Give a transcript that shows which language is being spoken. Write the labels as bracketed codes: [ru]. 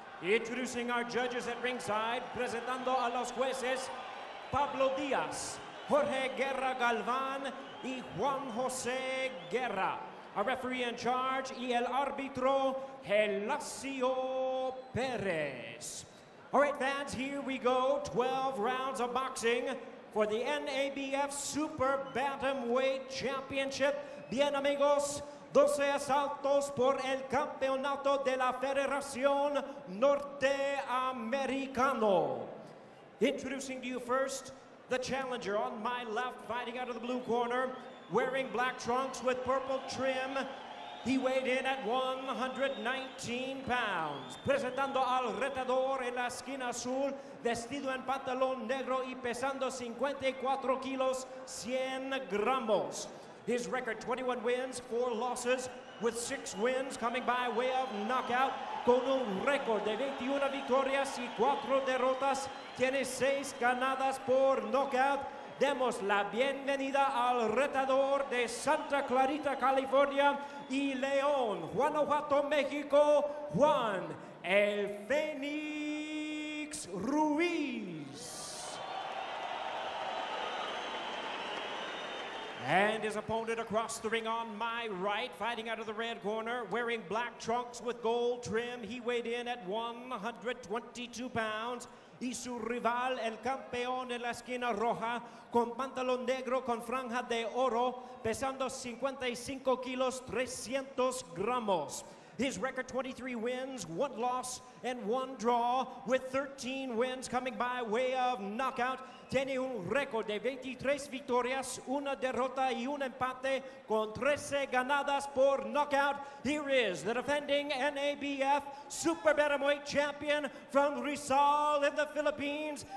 [en] Introducing our judges at ringside, [es] presentando a los jueces [en] Pablo Díaz, Jorge Guerra Galván, y Juan José Guerra. A referee in charge, [es] y el árbitro, [en] Gelasio Perez. All right, fans, here we go. 12 rounds of boxing for the NABF Super Bantamweight Championship. [es] Bien, amigos, 12 asaltos por el campeonato de la Federación Norteamericano. [en] Introducing to you first, the challenger on my left, fighting out of the blue corner, wearing black trunks with purple trim. He weighed in at 119 pounds. [es] Presentando al retador en la esquina azul, vestido en pantalón negro y pesando 54 kilos, 100 gramos. [en] His record, 21 wins, 4 losses, with 6 wins coming by way of knockout. [es] Con un récord de 21 victorias y 4 derrotas, tiene 6 ganadas por knockout. Demos la bienvenida al retador de Santa Clarita, California, y León, Guanajuato, México, Juan El Fénix Ruiz. [en] And his opponent across the ring on my right, fighting out of the red corner, wearing black trunks with gold trim. He weighed in at 122 pounds. [es] Y su rival, el campeón en la esquina roja, con pantalón negro con franja de oro, pesando 55 kilos, 300 gramos. [en] His record, 23 wins, 1 loss, and 1 draw, with 13 wins coming by way of knockout. [es] Tiene un récord de 23 victorias, una derrota y un empate, con 13 ganadas por knockout. [en] Here is the defending NABF Super Bantamweight Champion from Rizal in the Philippines.